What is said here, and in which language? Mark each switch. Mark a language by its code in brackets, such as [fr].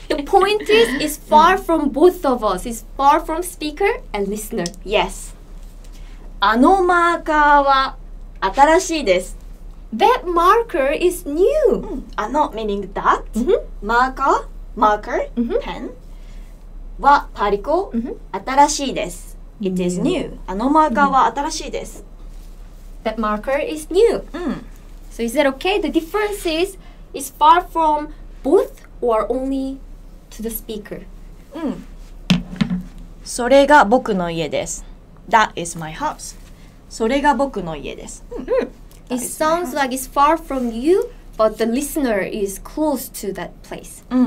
[en] The point is, it's far from both of us. It's far from speaker and listener. Yes. [ja] あのマーカーは新しいです。 [en] That marker is new. あの meaning that. Marker, pen. [ja] はパリコ、新しいです。 [en] It is new. [ja] あのマーカーは新しいです。 [en] That marker is new. So is that okay? The difference is,It's far from both or only to the speaker. [ja] それが僕の家です。 [en] That is my house. [ja] それが僕の家です。 [en] It sounds like it's far from you, but the listener is close to that place.